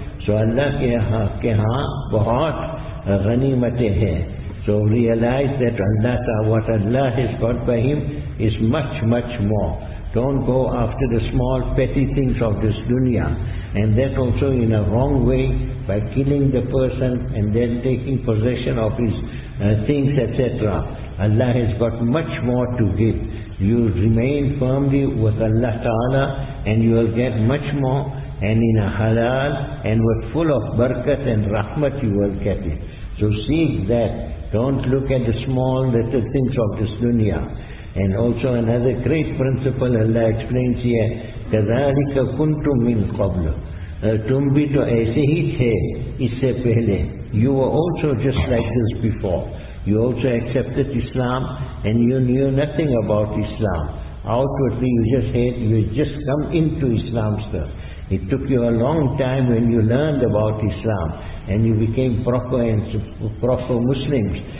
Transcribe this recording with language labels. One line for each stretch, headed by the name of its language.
English: So
Urdu: Allah کے ہاں بہت غنیمتیں ہیں.
English: So realize that what Allah has got by him is much, much more. Don't go after the small petty things of this dunya, and that also in a wrong way, by killing the person and then taking possession of his things, etc. Allah has got much more to give. You remain firmly with Allah Ta'ala and you will get much more, and in a halal and with full of barakat and rahmat you will get it. So seek that. Don't look at the small little things of this dunya. And also another great principle Allah explains here,
Arabic: كَذَلِكَ كُنْتُمْ مِنْ قَبْلُ.
Urdu: تُمْ بِي تو ایسے ہی تھے اس سے پہلے.
English: You were also just like this before. You also accepted Islam and you knew nothing about Islam. Outwardly you just said you had just come into Islam, sir. It took you a long time when you learned about Islam and you became proper and proper Muslims.